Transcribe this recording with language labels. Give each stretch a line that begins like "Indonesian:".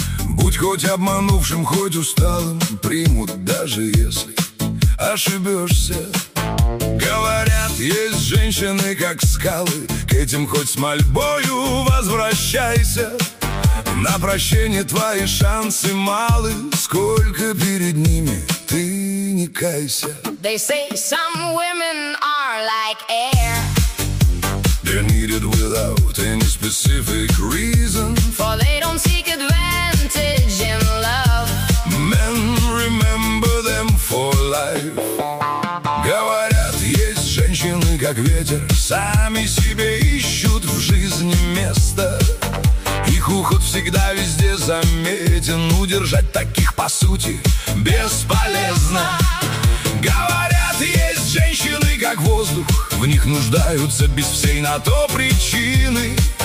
Russian: Будь хоть обманувшим, хоть усталым, примут, даже если ошибешься. Говорят, есть женщины, как скалы, к этим хоть с мольбою возвращайся. На прощение твои шансы малы, сколько перед ними ты не кайся.
English: They say some women are like air. They're needed without any specific reason. For they don't seek advantage in love. Men remember them for life.
Russian: Говорят, есть женщины, как ветер, сами себе ищут в жизни место. Их уход всегда везде заметен, удержать таких, по сути, бесполезно. Говорят, есть женщины, как воздух, в них нуждаются без всей на то причины.